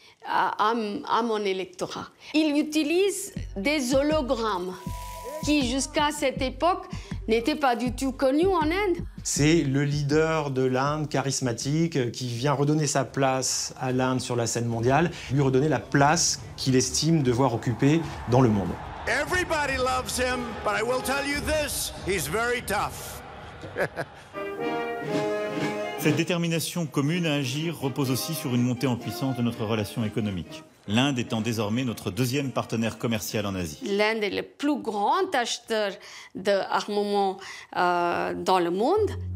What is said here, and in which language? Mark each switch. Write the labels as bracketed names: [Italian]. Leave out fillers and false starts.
[French] À mon électorat. Il utilise des hologrammes qui, jusqu'à cette époque, n'étaient pas du tout connus en Inde. C'est le leader de l'Inde charismatique qui vient redonner sa place à l'Inde sur la scène mondiale, lui redonner la place qu'il estime devoir occuper dans le monde. [English] Everybody loves him, but I will tell you this, he's very tough. [French] Cette détermination commune à agir repose aussi sur une montée en puissance de notre relation économique. L'Inde étant désormais notre deuxième partenaire commercial en Asie. L'Inde est le plus grand acheteur d'armement dans le monde.